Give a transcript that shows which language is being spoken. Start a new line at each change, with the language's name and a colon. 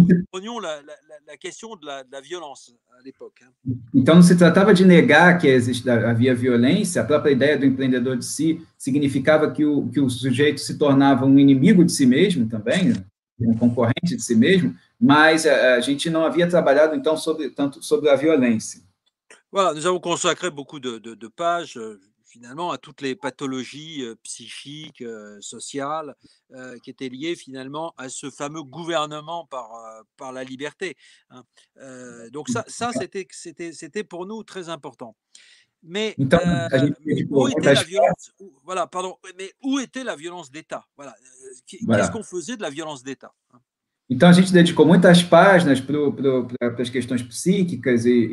French: Prenions la question de la violence à l'époque.
Portuguese: Então, não se tratava de negar que havia violência, a própria ideia do empreendedor de si significava que o sujeito se tornava um inimigo de si mesmo também, um concorrente de si mesmo, mas a gente não havia trabalhado então sobre a violência.
French: Voilà, nous avons consacré beaucoup de pages finalement à toutes les pathologies psychiques, sociales qui étaient liées finalement à ce fameux gouvernement par la liberté. Donc ça c'était pour nous très important. Mais
Portuguese: então,
French: où était la violence d'État? Voilà. Qu'est-ce qu'on faisait de la violence d'État?
Portuguese: Então, a gente dedicou muitas páginas para as questões psíquicas